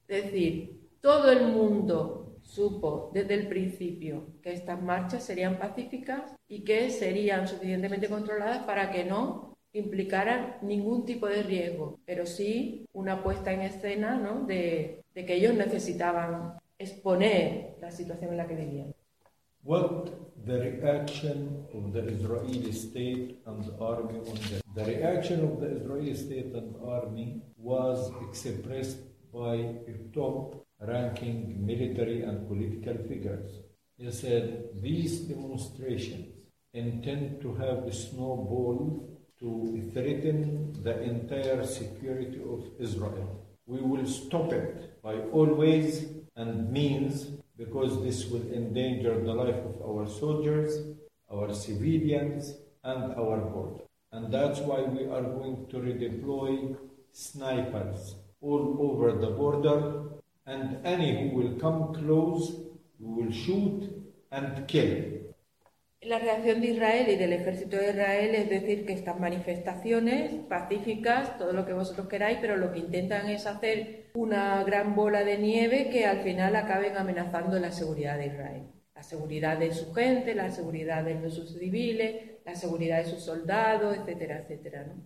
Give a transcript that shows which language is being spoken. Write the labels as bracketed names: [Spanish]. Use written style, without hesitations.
[Spanish] Es decir, todo el mundo supo desde el principio que estas marchas serían pacíficas y que serían suficientemente controladas para que no implicaran ningún tipo de riesgo, pero sí una puesta en escena, ¿no?, de que ellos necesitaban exponer la situación en la que vivían. [English] What the reaction of the Israeli state and army on that? The reaction of the Israeli state and army was expressed by a top-ranking military and political figures. He said, these demonstrations intend to have a snowball to threaten the entire security of Israel. We will stop it by all ways and means, because this will endanger the life of our soldiers, our civilians, and our border. And that's why we are going to redeploy snipers all over the border, and any who will come close, we will shoot and kill. [Spanish] La reacción de Israel y del ejército de Israel es decir que estas manifestaciones pacíficas, todo lo que vosotros queráis, pero lo que intentan es hacer una gran bola de nieve que al final acaben amenazando la seguridad de Israel. La seguridad de su gente, la seguridad de sus civiles, la seguridad de sus soldados, etcétera, etcétera, ¿no?